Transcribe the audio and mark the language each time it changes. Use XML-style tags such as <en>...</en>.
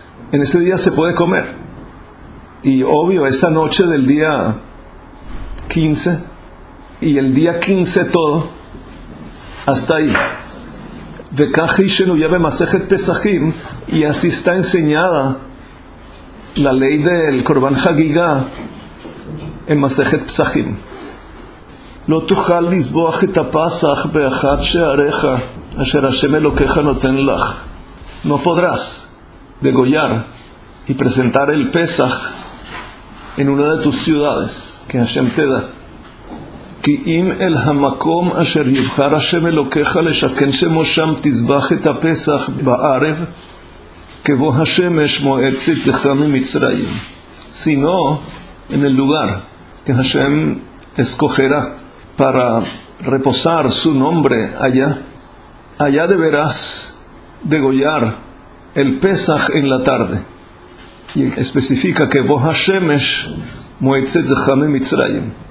<es>En ese día se puede comer. Y obvio, esa noche del día 15 y el día 15 todo, hasta ahí.</es> <he>Vekaji Shenuyabe Masejet Pesajim,</he> <es>y así está enseñada la ley del Korban Chagigah en Masejet Pesajim.</es> <he>לא תוכל לזבוח את הפסח באחד שעריך אשר השם אלוקיך נותן לך.</he> <es>No podrás degollar y presentar el Pesaj en una de tus ciudades que Hashem te da.</es> <he>כי אם אל המקום אשר יבחר השם אלוקיך לשכן שמו שם תזבח את הפסח בערב כבוא השמש מועד צאתך ממצרים.</he> <es>Sino en el lugar que Hashem escogerá para reposar su nombre allá, allá deberás degollar el Pesaj en la tarde. Y especifica que</es> <he>Bo HaShemesh Moetzet Chame Mitzrayim.</he>